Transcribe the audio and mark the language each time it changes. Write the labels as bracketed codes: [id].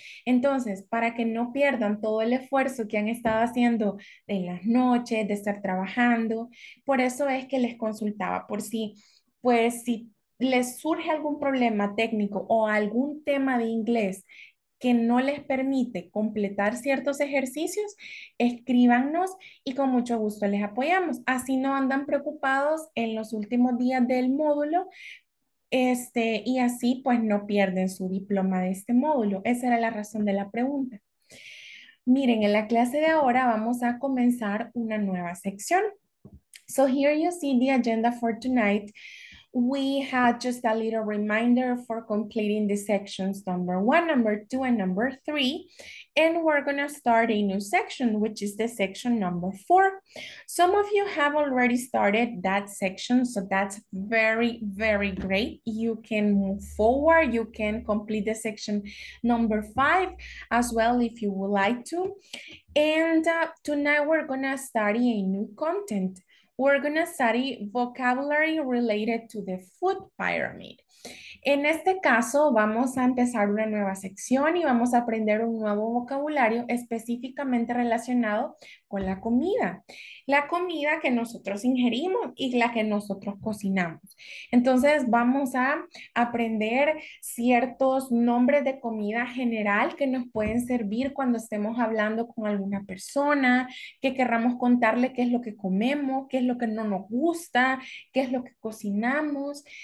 [es] Entonces, para que no pierdan todo el esfuerzo que han estado haciendo en las noches, de estar trabajando, por eso es que les consultaba por si, pues, si les surge algún problema técnico o algún tema de inglés que no les permite completar ciertos ejercicios, escríbanos y con mucho gusto les apoyamos. Así no andan preocupados en los últimos días del módulo, y así pues no pierden su diploma de este módulo. Esa era la razón de la pregunta. Miren, en la clase de ahora vamos a comenzar una nueva sección. [en] So here you see the agenda for tonight. We had just a little reminder for completing the sections number one, number two, and number three. And we're going to start a new section, which is the section number four. Some of you have already started that section, so that's very, very great. You can move forward. You can complete the section number five as well if you would like to. And tonight we're going to study a new content. We're going to study vocabulary related to the food pyramid. [es] En este caso, vamos a empezar una nueva sección y vamos a aprender un nuevo vocabulario específicamente relacionado con la comida. La comida que nosotros ingerimos y la que nosotros cocinamos. Entonces, vamos a aprender ciertos nombres de comida general que nos pueden servir cuando estemos hablando con alguna persona, que querramos contarle qué es lo que comemos, qué es lo que no nos gusta, qué es lo que cocinamos.